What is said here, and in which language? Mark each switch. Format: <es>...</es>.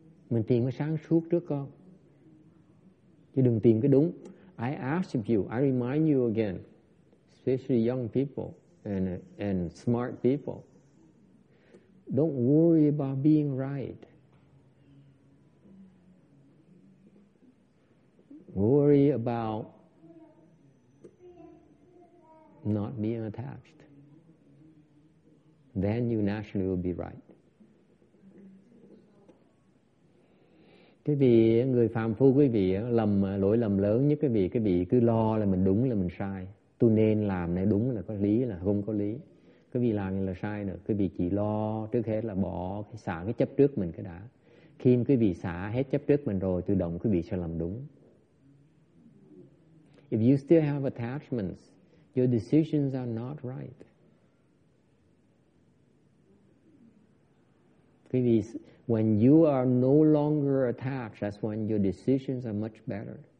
<vi>Mình tìm cái sáng suốt trước con. Chứ đừng tìm cái đúng.</vi> <en>I ask you, I remind you again, especially young people and smart people, don't worry about being right. Worry about not being attached. Then you naturally will be right.</en> <vi>Cái vị người phàm phu quý vị lỗi lầm lớn nhất cái vị cứ lo là mình đúng là mình sai. Tôi nên làm này đúng là có lý là không có lý. Cái vị làm như là sai nữa. Cái vị chỉ lo trước hết là bỏ cái xả cái chấp trước mình cái đã. Khi quý vị xả hết chấp trước mình rồi, tự động quý vị sẽ làm đúng.</vi> <en>If you still have attachments, your decisions are not right. When you are no longer attached, that's when your decisions are much better.</en>